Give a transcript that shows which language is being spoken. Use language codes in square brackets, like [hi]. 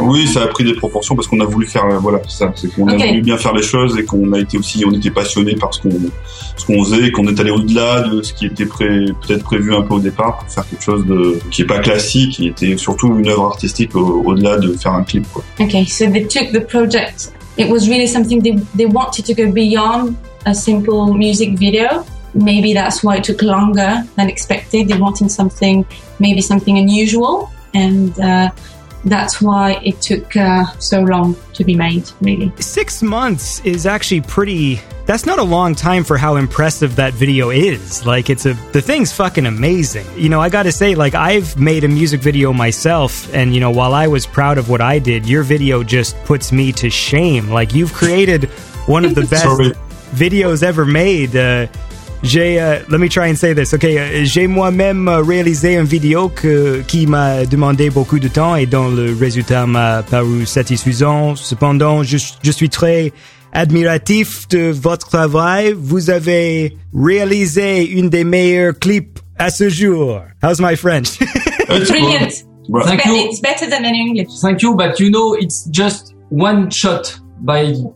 [fr] Oui, ça a pris des proportions parce qu'on a voulu faire, voilà, ça, c'est qu'on a voulu bien faire les choses et qu'on a été aussi, on était passionnés par ce qu'on faisait, et qu'on est allé au-delà de ce qui était peut-être prévu un peu au départ pour faire quelque chose de qui est pas classique, qui était surtout une œuvre artistique au-delà de faire un clip, quoi. [en] Okay, so they took the project. It was really something they wanted to go beyond a simple music video. Maybe that's why it took longer than expected. They wanted something, maybe something unusual. And that's why it took so long to be made, really. 6 months is actually pretty... That's not a long time for how impressive that video is. Like, the thing's fucking amazing. You know, I gotta say, like, I've made a music video myself, and, you know, while I was proud of what I did, your video just puts me to shame. Like, you've created one of the best videos ever made. Let me try and say this. [fr] Okay, j'ai moi-même réalisé une vidéo qui m'a demandé beaucoup de temps et dont le résultat m'a paru satisfaisant. Cependant, je suis très admiratif de votre travail. Vous avez réalisé une des meilleures clips à ce jour. [en] How's my French? Brilliant. It's better than in English. Thank you, but you know, it's just one shot by...